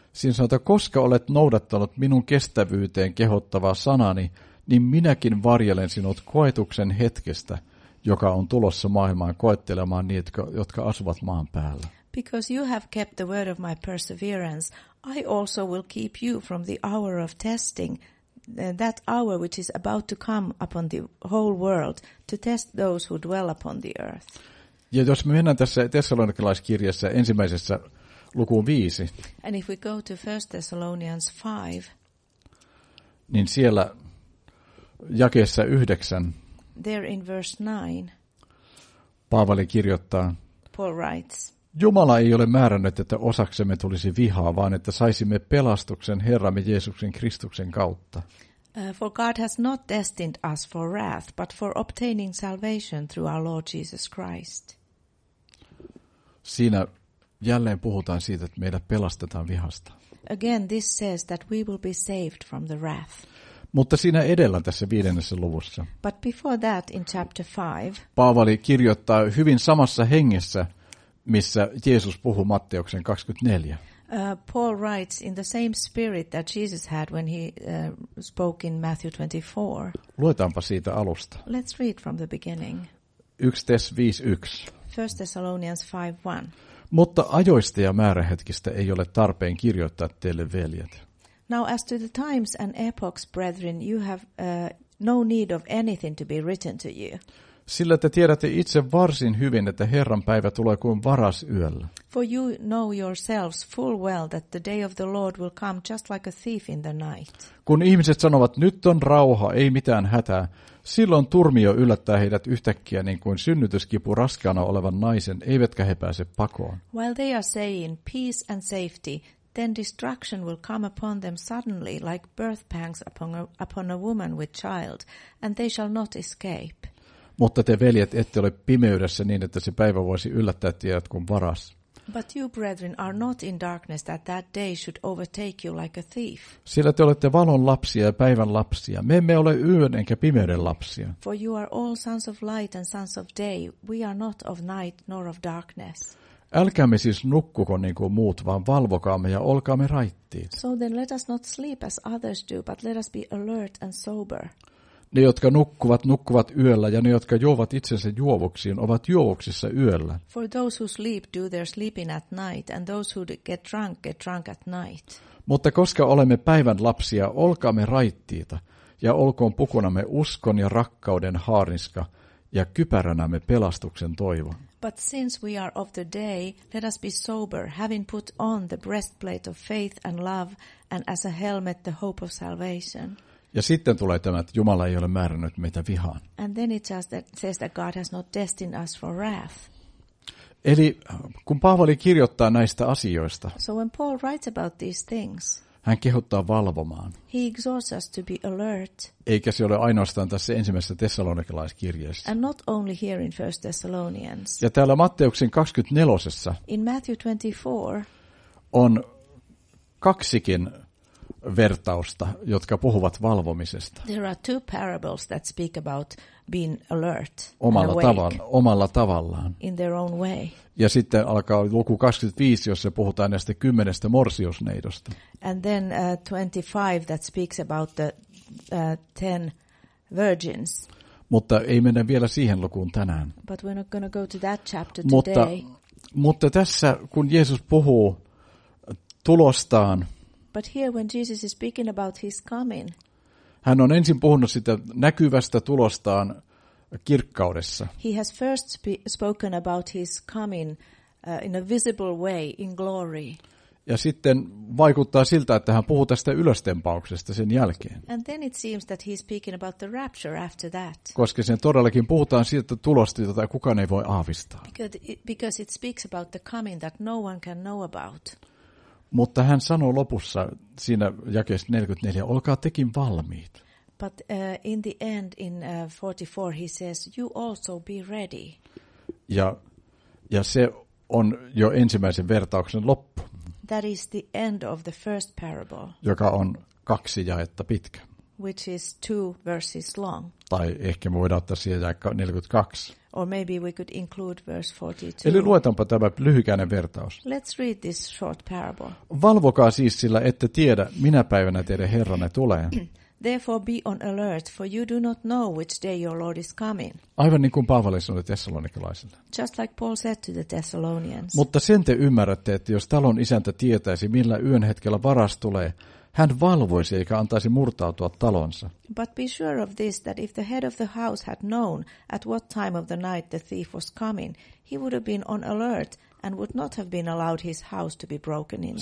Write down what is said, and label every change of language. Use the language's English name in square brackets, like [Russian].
[Finnish] Siinä sanotaan, koska olet noudattanut minun kestävyyteen kehottavaa sanani, niin minäkin varjelen sinut koetuksen hetkestä, joka on tulossa maailmaan koettelemaan niitä, jotka asuvat maan päällä. [English] Because you have kept the word of my perseverance, I also will keep you from the hour of testing, that hour which is about to come upon the whole world to test those who dwell upon the earth. [Finnish] Ja jos me mennään tässä tessalonikalaiskirjassa ensimmäisessä lukuun 5. [English] And if we go to 1 Thessalonians 5. [Finnish] Niin siellä jakeessa 9. [English] There in verse 9. [Finnish] Paavali kirjoittaa. [English] Paul writes. [Finnish] Jumala ei ole määrännyt, että osaksemme tulisi vihaa, vaan että saisimme pelastuksen Herramme Jeesuksen Kristuksen kautta. [English] For God has not destined us for wrath, but for obtaining salvation through our Lord Jesus Christ. [Finnish] Siinä jälleen puhutaan siitä, että meidät pelastetaan vihasta. [English] Again, this says that we will be saved from the wrath. [Finnish] Mutta siinä edellä tässä 5. luvussa. [English] But before that, in chapter 5. [Finnish] Paavali kirjoittaa hyvin samassa hengessä, missä Jeesus puhuu Matteuksen 24. [English] Paul writes in the same spirit that Jesus had when he spoke in Matthew 24. [Finnish] Luetaanpa siitä alusta. [English] Let's read from the beginning. 1 Thessalonians 5:1. 1 Thessalonians 5:1. [Finnish] Mutta ajoista ja määrähetkistä ei ole tarpeen kirjoittaa teille, veljet. [English] Now as to the times and epochs, brethren, you have no need of anything to be written to you. [Finnish] Sillä te tiedätte itse varsin hyvin, että Herran päivä tulee kuin varas yöllä. [English] For you know yourselves full well that the day of the Lord will come just like a thief in the night. [Finnish] Kun ihmiset sanovat, nyt on rauha, ei mitään hätää, silloin turmio yllättää heidät yhtäkkiä niin kuin synnytyskipu raskaana olevan naisen, eivätkä he pääse pakoon. [English] While they are saying peace and safety, then destruction will come upon them suddenly like birth pangs upon a woman with child, and they shall not escape. [Finnish] Mutta te, veljet, ette ole pimeydessä niin, että se päivä voisi yllättää teidät kuin varas. But you, brethren, are not in darkness that that day should overtake you like a thief. Sillä te olette valon lapsia ja päivän lapsia. Me emme ole yön enkä pimeyden lapsia. [English] For you are all sons of light and sons of day. We are not of night nor of darkness. [Finnish] Älkäämme siis nukkuko niin kuin muut, vaan valvokaamme ja olkaamme raittiit. [English] So then let us not sleep as others do, but let us be alert and sober. [Finnish] Ne, jotka nukkuvat, nukkuvat yöllä, ja ne, jotka juovat itsensä juovuksiin, ovat juovuksissa yöllä. [English] For those who sleep do their sleeping at night, and those who get drunk at night. [Finnish] Mutta koska olemme päivän lapsia, olkaamme raittiita, ja olkoon pukunamme uskon ja rakkauden haarniska, ja kypäränämme pelastuksen toivo. [English] But since we are of the day, let us be sober, having put on the breastplate of faith and love, and as a helmet the hope of salvation. [Finnish] Ja sitten tulee tämä, että Jumala ei ole määrännyt meitä vihaan. [English] And then it just says that God has not destined us for wrath. [Finnish] Eli kun Paavali kirjoittaa näistä asioista, [English] so when Paul writes about these things, [Finnish] hän kehottaa valvomaan. [English] He exhorts us to be alert. [Finnish] Eikä se ole ainoastaan tässä ensimmäisessä tessalonikalaiskirjeessä. [English] And not only here in 1 Thessalonians. [Finnish] Ja täällä Matteuksen 24. [English] In Matthew 24. [Finnish] On kaksikin vertausta, jotka puhuvat valvomisesta. [English] There are two parables that speak about being alert. [Finnish] Omalla tavallaan. [English] In their own way. [Finnish] Ja sitten alkaa luku 25, jossa puhutaan näistä 10 morsiusneidosta. [English] And then 25 that speaks about the 10 virgins. [Finnish] Mutta ei mennä vielä siihen lukuun tänään. [English] But we're not going to go to that chapter today. [Finnish] Mutta tässä kun Jeesus puhuu tulostaan. [English] But here when Jesus is speaking about his coming. [Finnish] Hän on ensin puhunut sitä näkyvästä tulostaan kirkkaudessa. [English] He has first spoken about his coming in a visible way in glory. [Finnish] Ja sitten vaikuttaa siltä, että hän puhuu tästä ylöstempauksesta sen jälkeen. [English] And then it seems that he's speaking about the rapture after that. [Finnish] Koska sen todellakin puhutaan siitä tulosta, jota kukaan ei voi aavistaa. [English] Because it speaks about the coming that no one can know about. [Finnish] Mutta hän sanoo lopussa siinä jakeessa 44, olkaa tekin valmiit. [English] But in the end in 44 he says you also be ready. [Finnish] Ja se on jo ensimmäisen vertauksen loppu. [English] That is the end of the first parable. [Finnish] Joka on kaksi jaetta pitkä. [English] Which is two verses long. [Finnish] Tai ehkä me voidaan ottaa siihen jaetta 42. [English] Or maybe we could include verse 42. [Finnish] Eli luetaanpa tämä lyhykäinen vertaus. [English] Let's read this short parable. [Finnish] Valvokaa siis, sillä ette tiedä, minä päivänä teidän Herranne tulee. [English] Therefore be on alert, for you do not know which day your Lord is coming. [Finnish] Aivan niin kuin Paavali sanoi tessalonikalaisille. [English] Just like Paul said to the Thessalonians. [Finnish] Mutta sen te ymmärrätte, että jos talon isäntä tietäisi, millä yön hetkellä varas tulee, hän valvoisi eikä antaisi murtautua talonsa. [English] But be sure of this, that if the head of the house had known at what time of the night the thief was coming, he would have been on alert and would not have been allowed his house to be broken into.